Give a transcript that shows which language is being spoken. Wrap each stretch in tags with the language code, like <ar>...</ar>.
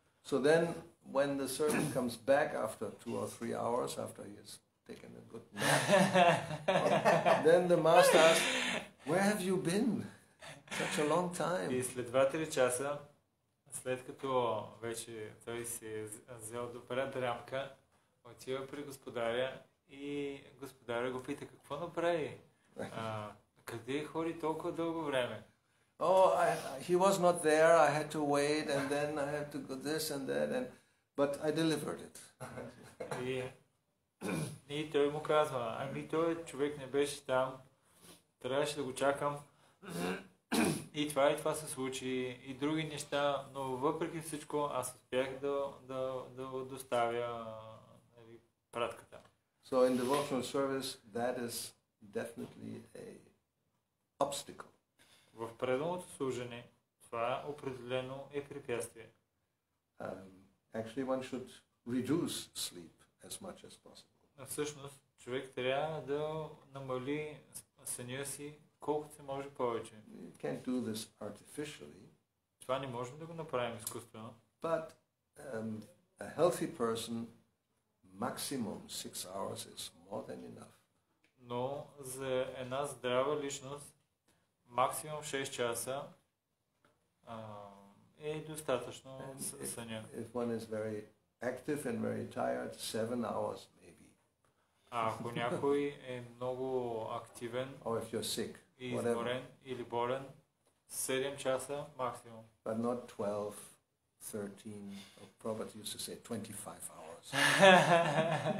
<en>So then when the servant comes back after 2 or 3 hours after he has taken a good nap, then the master asks, where have you been such a long time?</en> <bg>И след 2-3 часа, след като вече той си е взел добра дрямка, отива при господаря и господаря го пита, какво направи? Къде ходи толкова дълго време?</bg> <en>Oh, he was not there, I had to wait, and then I had to go this and that, but I delivered it.</en> <bg>И той му казва, ами той човек не беше там, трябваше да го чакам И това и това се случи, и други неща, но въпреки всичко аз успях да доставя пратката.</bg> <en>So in devotional service that is definitely a obstacle.</en> <bg>В предното служене това определено е препятствие.</bg> <en>Actually one should reduce sleep as much as possible.</en> <bg>Всъщност човек трябва да намали съня си колкото се може повече.</bg> <en>You can't do this artificially.</en> <bg>Това не можем да го направим изкуствено.</bg> <en>But a healthy person maximum 6 hours is more than enough.</en> <bg>Но за една здрава личност максимум 6 часа е достатъчно съня.</bg> <en>If one is very active and very tired, 7 hours maybe.</en> <bg>А ако някой е много активен,</bg> <en>or if you're sick,</en> <bg>изморен или болен, 7 часа максимум.</bg> <en>But not 12, 13, or probably used to say 25 hours.</en>